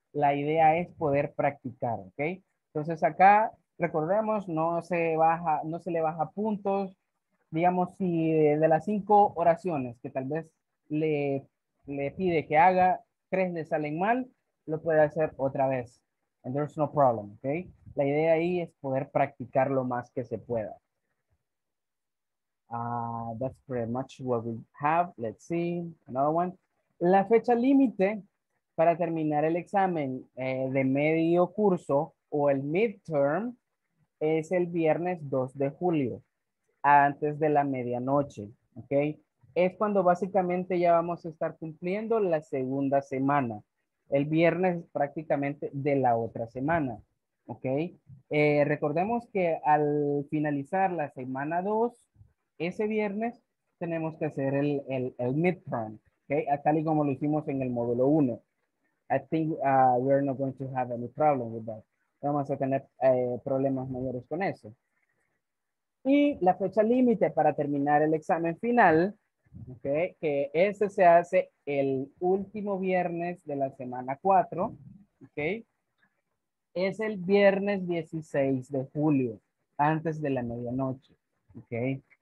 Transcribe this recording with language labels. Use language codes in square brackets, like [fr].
[es] La idea es poder practicar, ¿ok? Entonces, acá, recordemos, no se le baja puntos, digamos, si de las 5 oraciones que tal vez le pide que haga, 3 le salen mal, lo puede hacer otra vez. [en] And there's no problem, [es] ¿ok? La idea ahí es poder practicar lo más que se pueda. [en] That's pretty much what we have. Let's see. Another one. [es] La fecha límite para terminar el examen de medio curso o el midterm es el viernes 2 de julio, antes de la medianoche, ¿ok? Es cuando básicamente ya vamos a estar cumpliendo la segunda semana. El viernes prácticamente de la otra semana, ¿ok? Recordemos que al finalizar la semana 2, ese viernes tenemos que hacer el midterm, ¿ok? Tal y como lo hicimos en el módulo 1. [en] I think we're not going to have any problem with that. [es] No vamos a tener problemas mayores con eso. Y la fecha límite para terminar el examen final, ¿ok? Que ese se hace el último viernes de la semana 4, ¿ok? Es el viernes 16 de julio, antes de la medianoche, ¿ok?